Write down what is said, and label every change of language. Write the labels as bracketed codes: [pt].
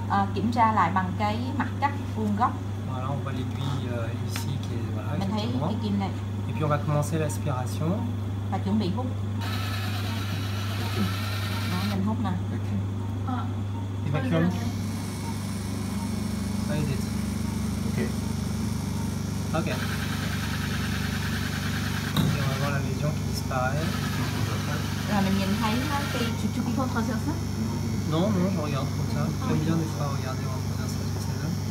[vi] À, kiểm tra lại bằng cái mặt cắt vuông góc. [fr] Voilà, on voit l'aiguille ici qui est voilà. [vi] Mình thấy cái kim này. [fr] Et puis on va commencer l'aspiration. [vi] Và chuẩn bị hút. Okay. Đó, mình hút nè. [fr] Okay. Ah. Évacuons. Okay. Okay. Okay. Et on va voir la lésion qui disparaît. [vi] Là mình nhìn thấy cái chụp [fr] coupe transversale. Non, non, je regarde comme ça. J'aime bien des fois regarder en première salle de celle-là.